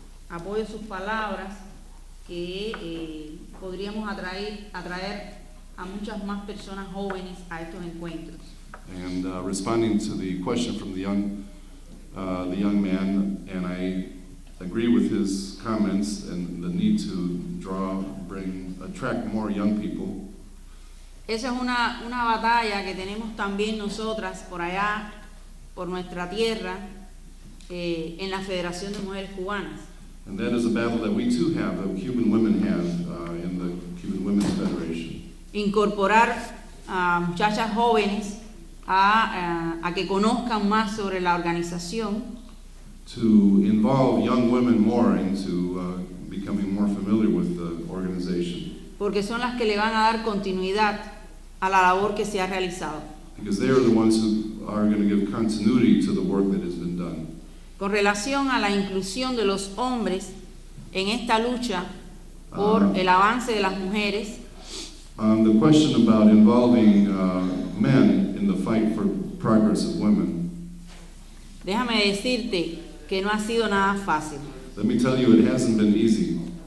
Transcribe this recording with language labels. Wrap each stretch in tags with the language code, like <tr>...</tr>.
<es>Apoyo sus palabras que podríamos atraer a muchas más personas jóvenes a estos encuentros.</es> <en>And responding to the question from the young man, and I agree with his comments and the need to attract more young people.</en> <es>Esa es una batalla que tenemos también nosotras por allá, por nuestra tierra, en la Federación de Mujeres Cubanas.</es> <en>And that is a battle that we too have, that Cuban women have, in the Cuban Women's Federation.</en> <es>Incorporar a muchachas jóvenes a que conozcan más sobre la organización.</es> <en>To involve young women more into becoming more familiar with the organization.</en> <es>Porque son las que le van a dar continuidad a la labor que se ha realizado.</es> <en>Because they are the ones who are going to give continuity to the work that has been done.</en> <es>Con relación a la inclusión de los hombres en esta lucha por el avance de las mujeres.</es> <en>The question about involving men in the fight for progress of women.</en> <es>Déjame decirte que no ha sido nada fácil.</es> <en>Let me tell you, it hasn't been easy.</en>